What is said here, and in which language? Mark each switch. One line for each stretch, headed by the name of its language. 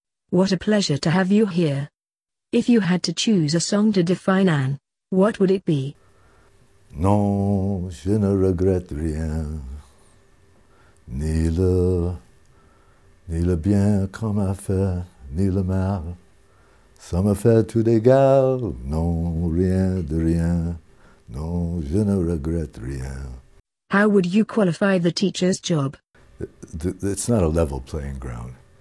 English: What a pleasure to have you here. If you had to choose a song to define Anne, what would it be?
French: Non, je ne regrette rien, ni le bien qu'on m'a fait, ni le mal. Ça me fait tout égal, non, rien de rien, non, je ne regrette rien.
English: How would you qualify the teacher's job? It's not a level playing ground.